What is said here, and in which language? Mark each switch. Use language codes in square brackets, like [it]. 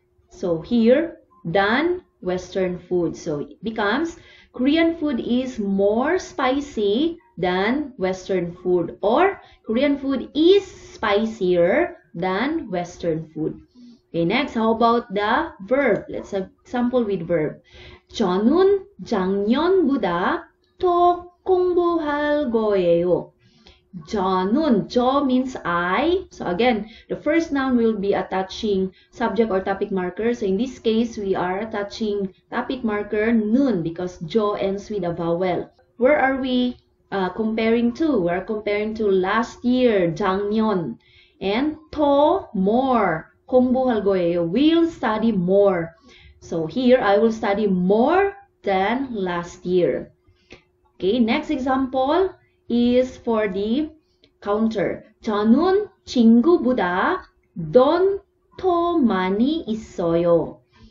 [en] So here, than Western food. So it becomes Korean food is more spicy than Western food, or Korean food is spicier than Western food. Okay, next, how about the verb? Let's have example with verb. [ko] 저는 작년보다 더 공부할 거예요. [en] 저는, 저 means I. So again, the first noun will be attaching subject or topic marker. So in this case, we are attaching topic marker nun because 저 ends with a vowel. Where are we comparing to? We are comparing to last year, 작년. And 더, more. [ko] 공부할 거예요. [en] Will study more. So here, I will study more than last year. Okay, next example is for the counter. [ko] 저는 친구보다 돈더 많이 있어요.